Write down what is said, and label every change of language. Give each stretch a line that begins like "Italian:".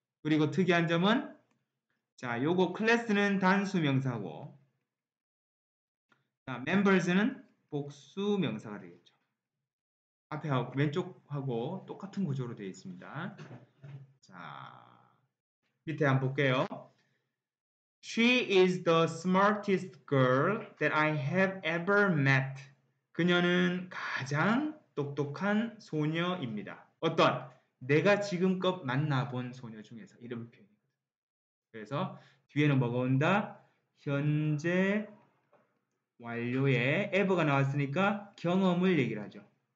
Korean: 그리고 특이한 점은 자, 요거 클래스는 단수명사고 자, members는 복수명사가 되겠죠. 앞에 왼쪽하고 똑같은 구조로 되어 있습니다. 자, 밑에 한번 볼게요.
English: She is the smartest girl that I have ever met.
Korean: 그녀는 가장 똑똑한 소녀입니다. 어떤? 내가 지금껏 만나본 소녀 중에서 이런 표현입니다. 그래서 뒤에는 뭐가 온다? 현재 완료에 ever가 나왔으니까 경험을 얘기를 하죠.